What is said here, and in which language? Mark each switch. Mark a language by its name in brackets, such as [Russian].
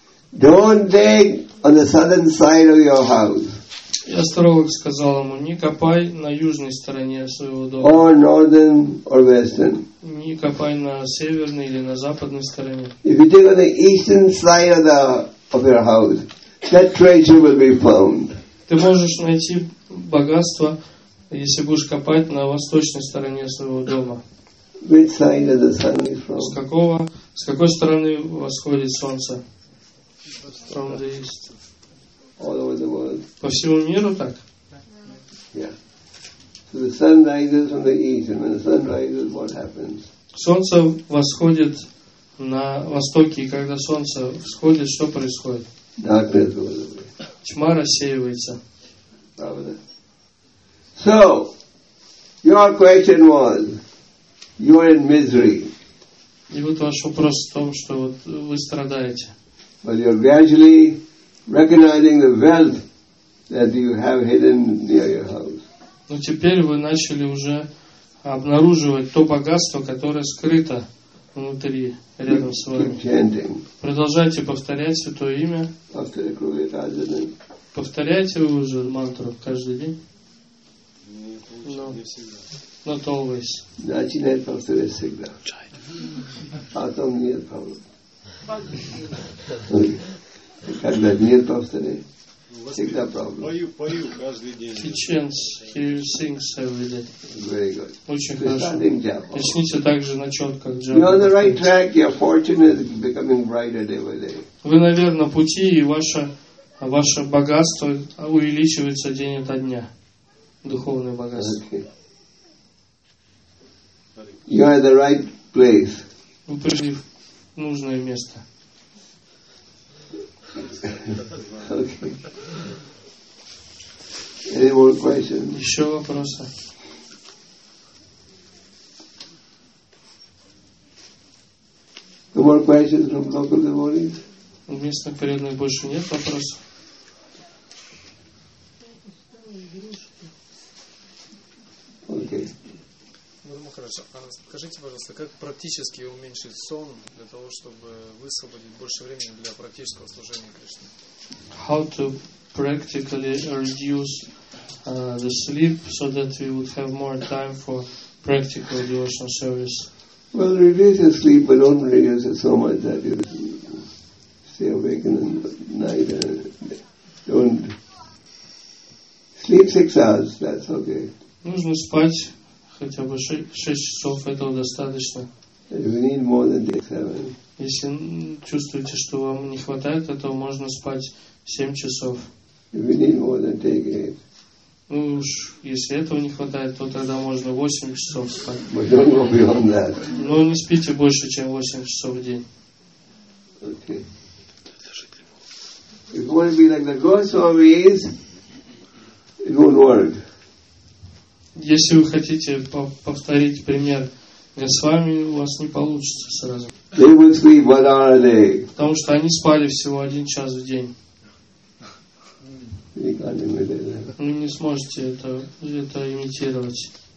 [English] Don't dig on the southern side of your house. [Russian] И астролог сказал ему: не копай на южной стороне своего дома. [English] Or northern or western. [Russian] Не копай на северной или на западной стороне. [English] If you dig on the eastern side of your house, that treasure will be found. [Russian] Ты можешь найти богатство, если будешь копать на восточной стороне своего дома. [English] Which side of the sun is from? [Russian] С какой стороны восходит солнце? [English] From the east. All over the world. [Russian] По всему миру так? [English] Yeah. So the sun rises from the east, and when the sun rises, what happens? [Russian] Солнце восходит на востоке, и когда солнце восходит, что происходит? [English] Darkness goes away. [Russian] Тьма рассеивается. [English] So, your question was, you are in misery. [Russian] И вот ваш вопрос в том, что вот вы страдаете. [English] But you're gradually recognizing the wealth that you have hidden near your house. [Russian] Но теперь вы начали уже обнаруживать то богатство, которое скрыто внутри, рядом с вами. [English] Keep chanting. [Russian] Продолжайте повторять святое имя. [English] After the Kruvita Ajana. [Russian] Повторяете вы уже мантру каждый день? Нет, [English] no. Not always. [Russian] Начинает повторять всегда. А там нет повторения. Когда нет повторения, всегда проблема. Пою каждый день. [English] He chants, he sings every day. Very good. [Russian] Очень хорошо. Начните так же на четках. [English] You're on the right track, your fortune is becoming brighter day by day. [Russian] Вы на верном пути, и ваше богатство увеличивается день ото дня. Духовное богатство. [English] Okay. You are the right place. [Russian] Вы пришли в нужное место. Okay. [English] Any more questions? [Russian] Еще вопросы? [English] No more questions from local devotees? [Russian] У местных преданных больше нет вопросов. [English] Okay. [Russian] Гуру Махарадж. Махарадж, а скажите, пожалуйста, как практически уменьшить сон для того, чтобы высвободить больше времени для практического служения Кришне? [English] How to practically reduce the sleep so that we would have more time for practical devotional service? Well, reduce your sleep, but don't reduce it so much that you stay awake in the night and don't sleep 6 hours. That's okay. [Russian] Нужно спать хотя бы 6 часов, этого достаточно. [English] We need more than 7. [Russian] Если чувствуете, что вам не хватает этого, можно спать 7 часов. [English] We need more than 8. [Russian] Ну уж, если этого не хватает, то тогда можно 8 часов спать. [English] But don't go beyond that. [Russian] Но не спите больше, чем 8 часов в день. [English] Okay. If you want to be like the Goswamis, it won't work. [Russian] Если вы хотите повторить пример Госвами, у вас не получится сразу. [English] They would sleep 1 hour a day. [Russian] Потому что они спали всего 1 час в день. [English] You can't imitate that. [Russian] Вы не сможете это имитировать.